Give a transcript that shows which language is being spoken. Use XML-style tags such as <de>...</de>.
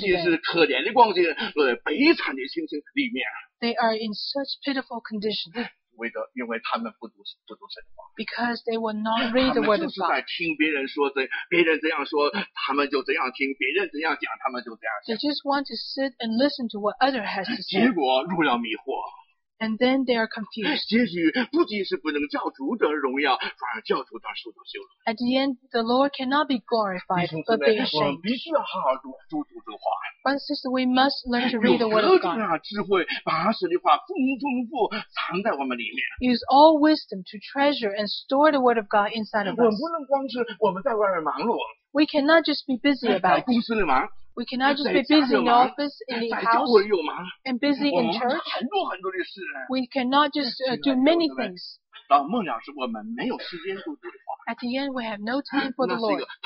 <zh>不仅是可怜的光景，悲惨的情形里面。</zh> <en>They are in such pitiful condition.</en> <zh>为的，因为他们不读神的话。</zh> <en>Because they will not read the word of God.</en> <zh>他们就是在听别人说这，别人这样说，他们就这样听；别人这样讲，他们就这样讲。</zh> <en>They just want to sit and listen to what other has to say.</en> <zh>结果入了迷惑。</zh> <en>And then they are confused.</en> <zh>结局不仅是不能叫主得荣耀，反而叫主他受到羞辱。</zh> <en>At the end, the Lord cannot be glorified, but be ashamed.</en> <zh>必须要好好读这个话。</zh> <en>But sister, we must learn to read the word of God.</en> <zh>有何等智慧，把神的话丰富藏在我们里面。</zh> <en>Use all wisdom to treasure and store the word of God inside of us.</en> <zh>我们不能光是我们在外面忙碌。</zh> <en>We cannot just be busy about.</en> <zh>在公司里忙。</zh> <en>We cannot just be busy in the office, in the house, and busy in church. We cannot just do many things. At the end, we have no time for the Lord.</en>